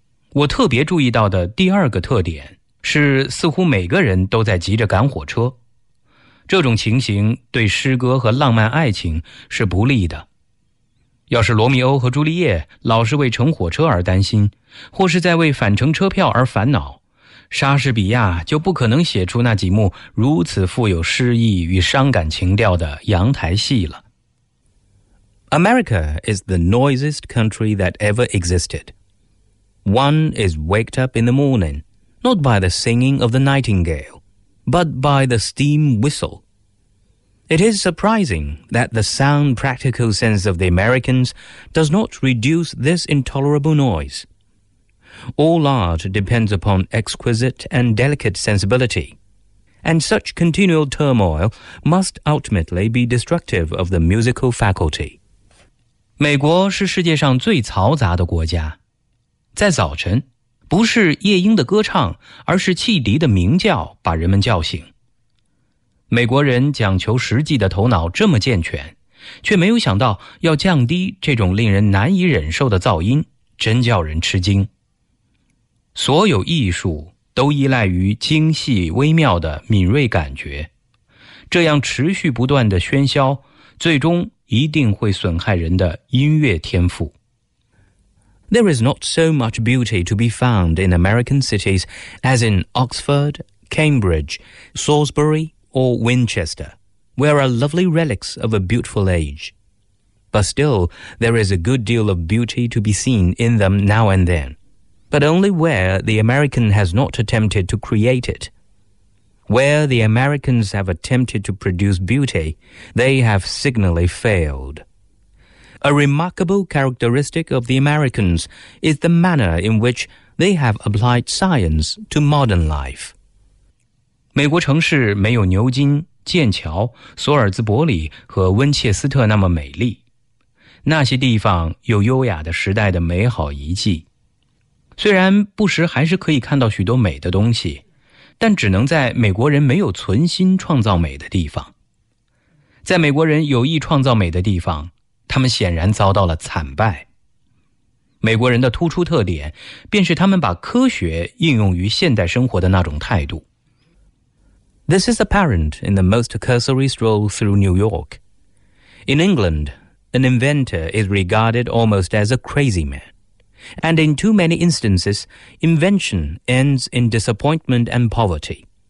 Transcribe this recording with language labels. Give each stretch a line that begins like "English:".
Chinese: 我特别注意到的第二个特点是似乎每个人都在急着赶火车。这种情形对诗歌和浪漫爱情是不利的。要是罗密欧和朱丽叶老是为乘火车而担心，或是在为返程车票而烦恼，莎士比亚就不可能写出那几幕如此富有诗意与伤感情调的阳台戏了。
English: America is the noisiest country that ever existed. One is waked up in the morning, not by the singing of the nightingale,but by the steam whistle. It is surprising that the sound practical sense of the Americans does not reduce this intolerable noise. All art depends upon exquisite and delicate sensibility, and such continual turmoil must ultimately be destructive of the musical faculty.
Chinese: 美国是世界上最嘈杂的国家。在早晨不是夜莺的歌唱，而是汽笛的鸣叫把人们叫醒。美国人讲求实际的头脑这么健全，却没有想到要降低这种令人难以忍受的噪音，真叫人吃惊。所有艺术都依赖于精细微妙的敏锐感觉，这样持续不断的喧嚣，最终一定会损害人的音乐天赋。
English: There is not so much beauty to be found in American cities as in Oxford, Cambridge, Salisbury, or Winchester, where are lovely relics of a beautiful age. But still, there is a good deal of beauty to be seen in them now and then, but only where the American has not attempted to create it. Where the Americans have attempted to produce beauty, they have signally failed. A remarkable characteristic of the Americans is the manner in which they have applied science to modern life.
Chinese: 美国城市没有牛津、剑桥、索尔兹伯里和温切斯特那么美丽。那些地方有优雅的时代的美好遗迹。虽然不时还是可以看到许多美的东西，但只能在美国人没有存心创造美的地方。在美国人有意创造美的地方，他们显然遭到了惨败。美国人的突出特点便是他们把科学应用于现代生活的那种态度。
English: This is apparent in the most cursory stroll through New York. In England, an inventor is regarded almost as a crazy man. And in too many instances, invention ends in disappointment and poverty.